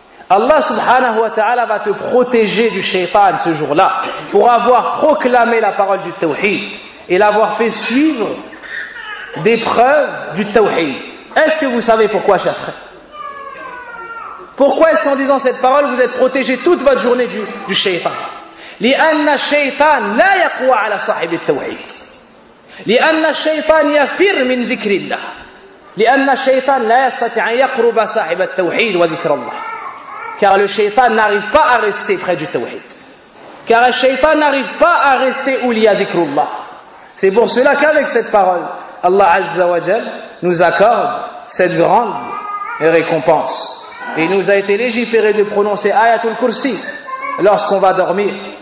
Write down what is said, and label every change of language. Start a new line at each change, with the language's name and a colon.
French: Allah subhanahu wa ta'ala va te protéger du shaytan ce jour-là pour avoir proclamé la parole du tawhid et l'avoir fait suivre des preuves du tawhid. Est-ce que vous savez pourquoi, chers frères? Pourquoi est-ce qu'en disant cette parole vous êtes protégé toute votre journée du shaytan?
Arabic: لِأَنَّ الشَّيْطَانَ لَا يَقْوَى عَلَى صَاحِبِ التَّوْحِيدِ لِأَنَّ الشَّيْطَانَ يَفِرْ مِنْ ذِكْرِ اللَّهِ لأن الشيطان لا يستطيع أن يقرب صاحب التوحيد وذكر الله.
French: Car le shaytan n'arrive pas à rester près du tawhid. Car le shaytan n'arrive pas à rester où il y a dhikrullah. C'est pour cela qu'avec cette parole, Allah Azza wa Jal nous accorde cette grande récompense. Il nous a été légiféré de prononcer Ayatul Kursi lorsqu'on va dormir.